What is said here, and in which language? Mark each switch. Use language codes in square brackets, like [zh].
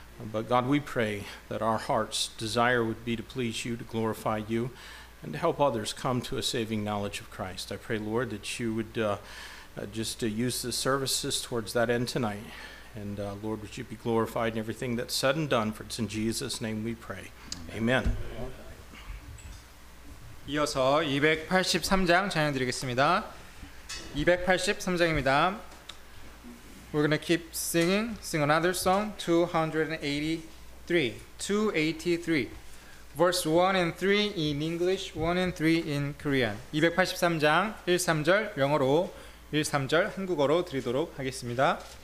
[en] But God, we pray that our heart's desire would be to please you, to glorify you, and to help others come to a saving knowledge of Christ. I pray, Lord, that you would use the services towards that end tonight. And Lord, would you be glorified in everything that's said and done, for it's in Jesus' name we pray. Amen. [ko] 이어서 283장 전해드리겠습니다. 283장입니다. [en] We're going to keep singing, sing another song, 283. Verse 1 and 3 in English, 1 and 3 in Korean. [ko] 283장 1-3절 영어로, 1-3절 한국어로 드리도록 하겠습니다.